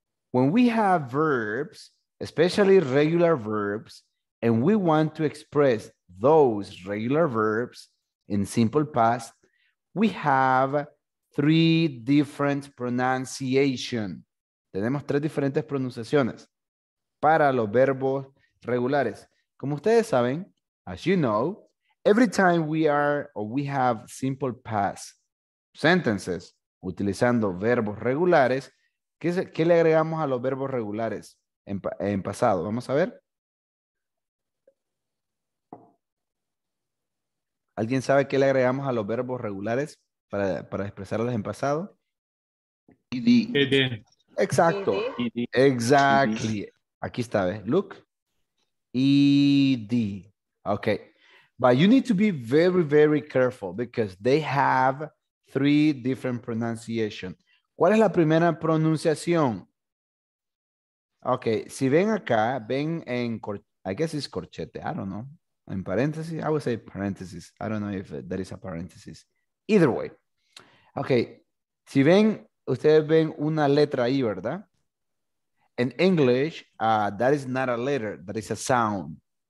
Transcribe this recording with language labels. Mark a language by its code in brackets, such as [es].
[en] When we have verbs, especially regular verbs, and we want to express those regular verbs in simple past, we have three different pronunciation. [es] Tenemos tres diferentes pronunciaciones para los verbos regulares. Como ustedes saben, [en] as you know, every time we are or we have simple past sentences [es] utilizando verbos regulares, ¿qué le agregamos a los verbos regulares? En pasado, vamos a ver. ¿Alguien sabe qué le agregamos a los verbos regulares para expresarlos en pasado? ED. Exacto. [en] Exactly. [es] Aquí está, ¿ves? [en] Look. ED. Okay. But you need to be very, very careful because they have three different pronunciation. [es] ¿Cuál es la primera pronunciación? Ok, si ven acá, ven en, [en] I guess it's corchete, I don't know, [es] en paréntesis, [en] I would say parentheses, I don't know if there is a parentheses, either way. [es] Ok, si ven, ustedes ven una letra ahí, ¿verdad? [en] In English, that is not a letter, that is a sound.